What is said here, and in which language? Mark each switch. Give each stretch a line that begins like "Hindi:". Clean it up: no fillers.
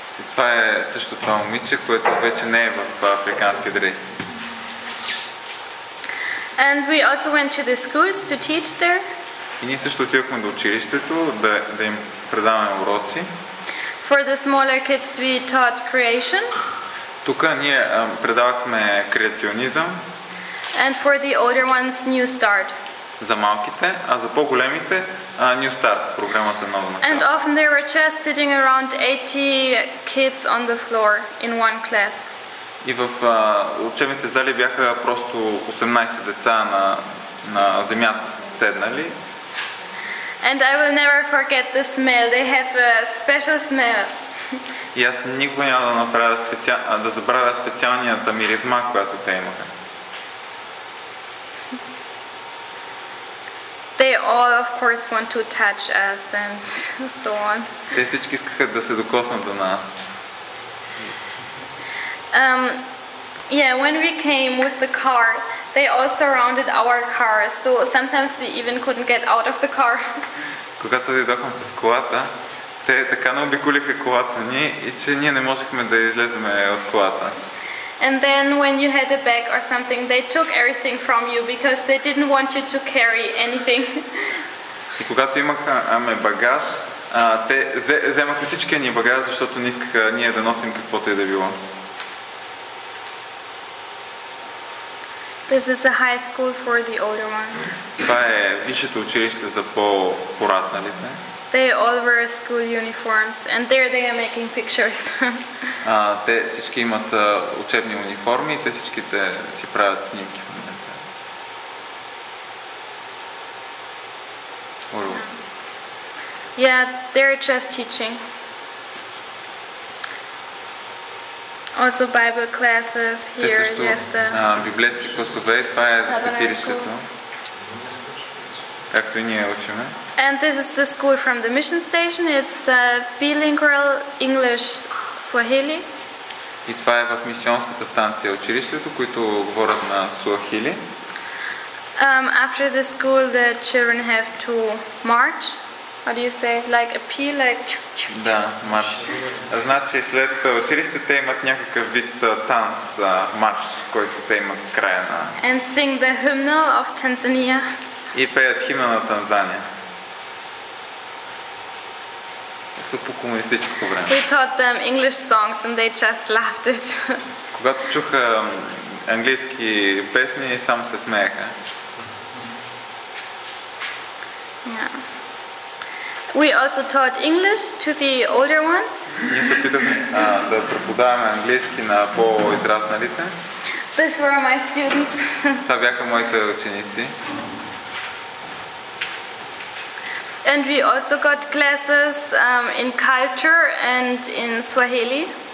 Bulgarian: Това е също това момиче, което вече не е в африкански дрес.
English: And we also went to the schools to teach there.
Bulgarian: И ние също отивахме до училището да им предаваме уроци.
English: For the smaller kids we taught creation.
Bulgarian: Тук ние предавахме креационизъм.
English: And for the older ones new start.
Bulgarian: За малките, а за по-големите new start, програмата нова начало.
English: And often there were just sitting around 80 kids on the floor in one class.
Bulgarian: И в учебните зали бяха просто 18 деца на земята седнали.
English: And I will never forget the smell. They have a special smell.
Bulgarian: И аз никога няма да направя да забравя специалната миризма, която те имаха.
English: They all of course want to touch us and so on.
Bulgarian: Те всички искаха да се докоснат до нас.
English: Yeah, when we came with the car, they all surrounded our car, so sometimes we even couldn't get out of the car.
Bulgarian: Когато дойдохме с колата, те така наобиколиха колата ни, и че ние не можехме да излеземе от колата.
English: And then when you had a bag or something, they took everything from you because they didn't want you to carry anything.
Bulgarian: И когато имахме багаж, те вземаха всичкия ни багаж, защото не искаха ние да носим каквото и да било.
English: This is a high school for the older ones.
Bulgarian: Това е висшето училище за по-порасналите.
English: They all wear school uniforms and there they are making pictures.
Bulgarian: Те всички имат учебни униформи и те всичките си правят снимки в момента.
English: Yeah, they're just teaching. Also Bible classes here.
Bulgarian: Те също библейски класове, това е за светилището. Както и ние учиме.
English: And this is the school from the mission station. It's a bilingual English Swahili.
Bulgarian: И това е в мисионската станция, училището, които говорят на суахили.
English: After the school the children have to march. How do you say it? Like appeal, like
Bulgarian: chu-chu-chu. Да, марш. Значи след училище те имат някакъв вид танц, марш, който те имат в края на...
English: And sing the hymn of Tanzania.
Bulgarian: И пеят химна на Танзания. Както по комунистическо време.
English: We taught them English songs and they just loved it.
Bulgarian: Когато чуха английски песни, само се смееха.
English: Yeah. We also taught English to the older ones.
Bulgarian: Ние се опитахме да преподаваме английски на по-израсналите.
English: These were my students.
Bulgarian: Това бяха моите ученици.
English: And we also got classes in culture and in Swahili.